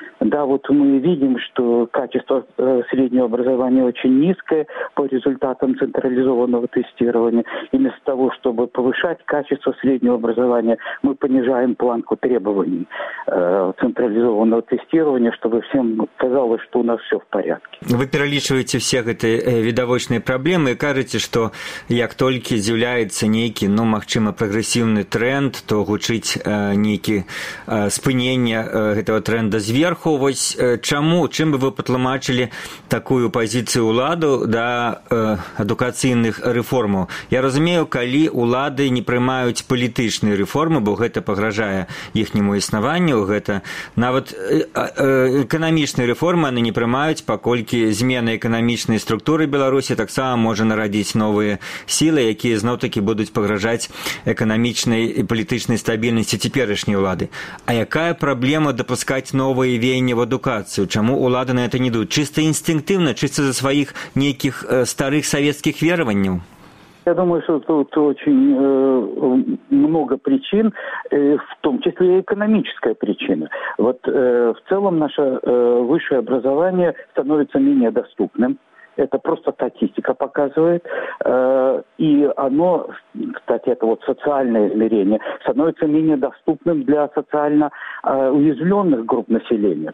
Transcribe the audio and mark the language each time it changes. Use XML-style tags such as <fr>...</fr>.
<ru>Да, вот мы видим, что качество среднего образования очень низкое по результатам централизованного тестирования. И вместо того, чтобы повышать качество среднего образования, мы понижаем планку требований централизованного тестирования, чтобы всем казалось, что у нас все в порядке. парадке.</ru> <be>Вы перелічваеце все гэты відавочныя праблемы і кажаце, што як толькі з'яўляецца нейкі, ну, магчыма, прагрэсіўны тренд, то гучыць нейкі спынення гэтага тренда зверху. Вось чаму, чым бы вы патлумачылі такую пазіцыю ўладу да адукацыйных рэформаў? Я разумею, калі ўлады не прымаюць палітычныя рэформы, бо гэта пагражае іхняму існаванню, гэта нават эканамічныя рэформы яны не прымаюць, паколькі змены эканамічнай структуры Беларусі таксама можа нарадзіць новыя сілы, якія зноў-такі будуць пагражаць эканамічнай і палітычнай стабільнасці цяперашняй улады. А якая праблема дапускаць новыя веяння ў адукацыю? Чаму ўлады на гэта не ідуць? Чыста інстынктыўна, чыста за сваіх нейкіх старых савецкіх вераванняў?</be> <ru>Я думаю, что тут очень много причин, в том числе и экономическая причина. Вот в целом наше высшее образование становится менее доступным. Это просто статистика показывает. И оно, кстати, это вот социальное измерение, становится менее доступным для социально уязвленных групп населения.</ru>